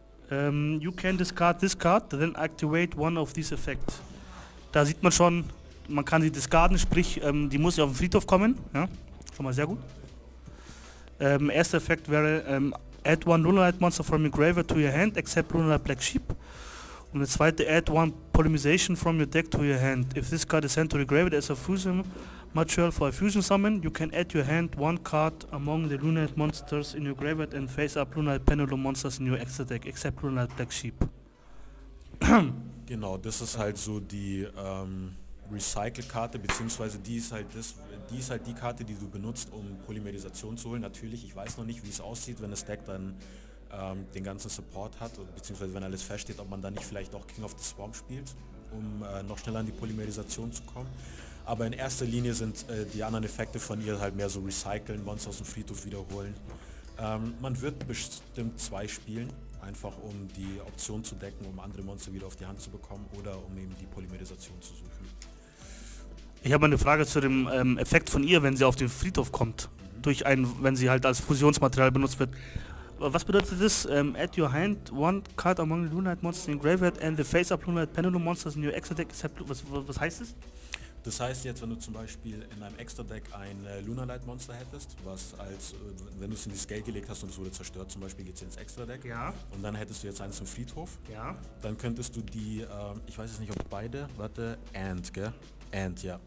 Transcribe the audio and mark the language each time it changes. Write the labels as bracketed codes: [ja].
[en] You can discard this card, then activate one of these effects. [de] Da sieht man schon, man kann sie discarden, sprich, die muss ja auf den Friedhof kommen. Ja, schon mal sehr gut. Erster Effekt wäre, [en] add one Lunar Light Monster from your graveyard to your hand, except Lunar Light Black Sheep. [de] Und der zweite, [en] add one polymerization from your deck to your hand. If this card is sent to the graveyard as a fusion material for a fusion summon, you can add your hand one card among the Lunar monsters in your graveyard and face up Lunar Pendulum monsters in your extra deck, except Lunar Black Sheep. [de] Genau, das ist halt so die Recycle-Karte, beziehungsweise die ist halt die Karte, die du benutzt, um Polymerisation zu holen. Natürlich, ich weiß noch nicht, wie es aussieht, wenn das Deck dann den ganzen Support hat, beziehungsweise wenn alles feststeht, ob man dann nicht vielleicht auch King of the Swamp spielt, um noch schneller an die Polymerisation zu kommen. Aber in erster Linie sind die anderen Effekte von ihr halt mehr so recyceln, Monster aus dem Friedhof wiederholen. Man wird bestimmt zwei spielen, einfach um die Option zu decken, um andere Monster wieder auf die Hand zu bekommen oder um eben die Polymerisation zu suchen. Ich habe eine Frage zu dem Effekt von ihr, wenn sie auf den Friedhof kommt, wenn sie halt als Fusionsmaterial benutzt wird. Was bedeutet das? [en] Add your hand one card among the Lunar Monsters in Graveyard and the face-up Lunar Pendulum Monsters in your extra deck. [de] Was heißt das? Das heißt jetzt, wenn du zum Beispiel in deinem extra Deck ein Lunar Light Monster hättest, was als, wenn du es in die Scale gelegt hast und es wurde zerstört, zum Beispiel geht es ins extra Deck. Ja. Und dann hättest du jetzt eins im Friedhof. Ja. Dann könntest du die, ich weiß jetzt nicht, ob beide, warte, and, gell? And, ja.